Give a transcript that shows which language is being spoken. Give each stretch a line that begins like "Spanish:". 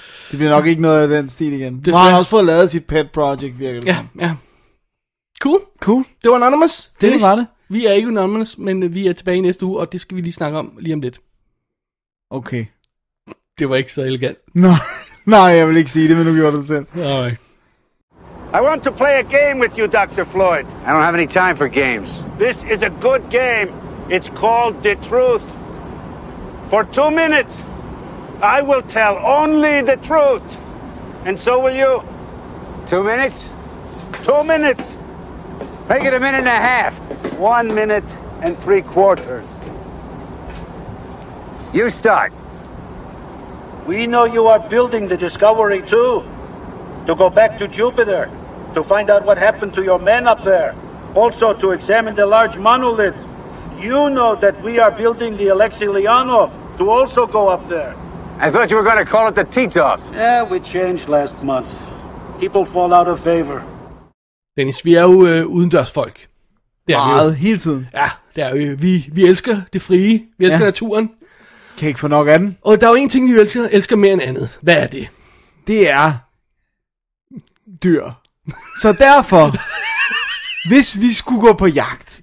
Danish: Det bliver nok ikke noget af den stil igen. Nu har han også fået lavet sit pet project, virkelig. Ja, ja. Cool. Cool. Det var Anonymous. Det var det. Vi er ikke Anonymous, men vi er tilbage i næste uge, og det skal vi lige snakke om lige om lidt. Okay. Det var ikke så elegant. Nej, jeg vil ikke sige det, men nu gjorde det selv. Nej.
English: I want to play a game with you, Dr. Floyd. I don't have any time for games. This is a good game. It's called The Truth. For 2 minutes, I will tell only the truth. And so will you. 2 minutes? 2 minutes. Make it a minute and a half. 1 minute and 3 quarters. You start. We know you are building the Discovery too, to go back to Jupiter, to find out what happened to your men up there. Also to examine the large monolith. You know that we are building the Alexei Leonov to also go up there. I thought you were going to call it the Titov. Yeah, we changed last month. People fall out of favor.
Danish: Dennis, vi er jo udendørs folk. Det er meget, hele tiden. Ja, det er vi elsker det frie. Vi elsker naturen. Kan ikke få nok af den. Og der er jo en ting, vi elsker mere end andet. Hvad er det? Det er dyr. Så derfor, hvis vi skulle gå på jagt,